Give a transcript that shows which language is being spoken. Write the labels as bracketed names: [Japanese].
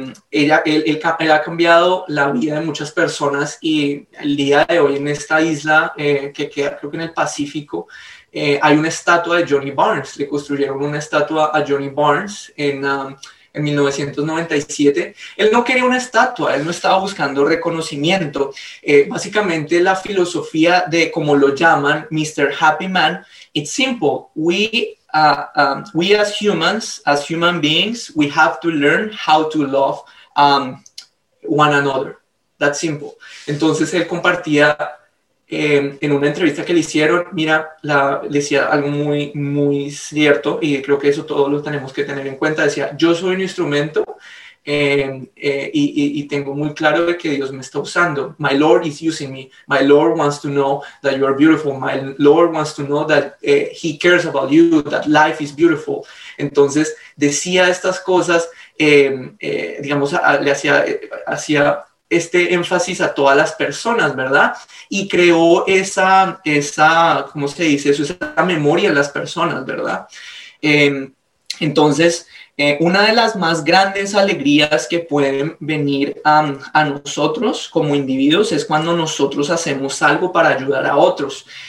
[Spanish] Él ha cambiado la vida de muchas personas, y el día de hoy en esta isla que queda, creo que en el Pacífico, hay una estatua de Johnny Barnes. Le construyeron una estatua a Johnny Barnes en 1997, él no quería una estatua, él no estaba buscando reconocimiento. Básicamente la filosofía de, como lo llaman, Mr. [English] Happy Man, it's simple, we as human beings, we have to learn how to love one another, that's simple. [Spanish] Entonces él compartía en una entrevista que le hicieron, mira, le decía algo muy, muy cierto, y creo que eso todos lo tenemos que tener en cuenta, decía, yo soy un instrumento y tengo muy claro de que Dios me está usando. [English] My Lord is using me. My Lord wants to know that you are beautiful. My Lord wants to know that he cares about you, that life is beautiful. [Spanish] Entonces, decía estas cosas, digamos, hacía este énfasis a todas las personas, ¿verdad? Y creó esa, ¿cómo se dice eso? Esa memoria en las personas, ¿verdad? Entonces, una de las más grandes alegrías que pueden venir a nosotros como individuos es cuando nosotros hacemos algo para ayudar a otros.